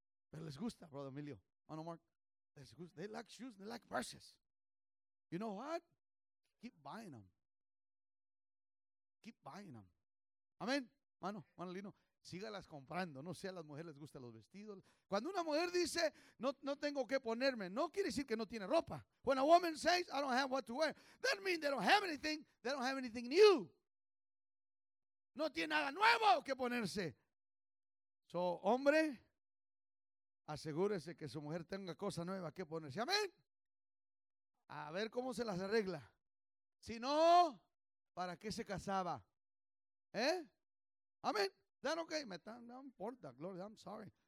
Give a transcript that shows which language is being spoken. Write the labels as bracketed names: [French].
[Spanish] Pero les gusta, [English] brother Emilio. [Spanish] Mano Mark. Les gusta. [English] They like shoes, they like purses. You know what? Keep buying them. Keep buying them. [Spanish] Amén. Mano Lino, sígalas comprando. No sé, a las mujeres les gustan los vestidos. Cuando una mujer dice, no tengo que ponerme, no quiere decir que no tiene ropa. [English] When a woman says, I don't have what to wear, that means they don't have anything, they don't have anything new. [Spanish] No tiene nada nuevo que ponerse. So, hombre, asegúrese que su mujer tenga cosa nueva que ponerse. Amén. A ver cómo se las arregla. Si no, ¿para qué se casaba? ¿Eh? Amén. ¿Están ok? No importa. Gloria, [English] I'm sorry.